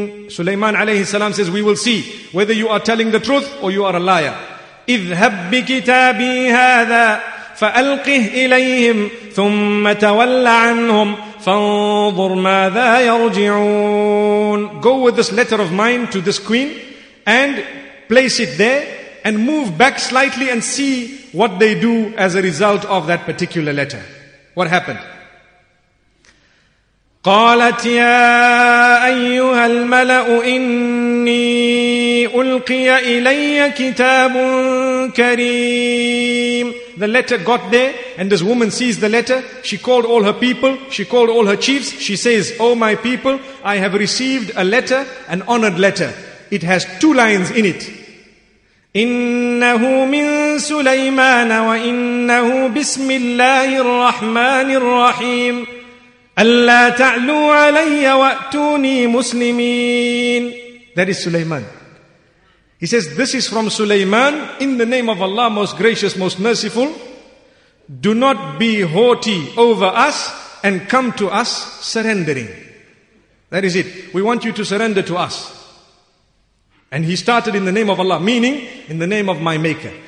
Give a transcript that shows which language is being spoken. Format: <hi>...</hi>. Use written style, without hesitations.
<en>Sulaiman عليه السلام says, we will see whether you are telling the truth or you are a liar.</en> <ar>اذهب بكتابي هذا فألقه إليهم ثم تول عنهم فانظر ماذا يرجعون.</ar> <en>Go with this letter of mine to this queen and place it there and move back slightly and see what they do as a result of that particular letter. What happened?</en> <ar>قالت يا أيها الملأ إني ألقي إلي كتاب كريم.</ar> <en>The letter got there and this woman sees the letter. She called all her people. She called all her chiefs. She says, oh my people, I have received a letter, an honored letter. It has two lines in it.</en> <ar>إنه من سليمان وإنه بسم الله الرحمن الرحيم ألا تعلوا علي وأتوني مسلمين.</ar> <en>That is Sulaiman. He says, this is from Sulaiman. In the name of Allah, most gracious, most merciful. Do not be haughty over us and come to us surrendering. That is it. We want you to surrender to us. And he started in the name of Allah, meaning in the name of my maker.</en>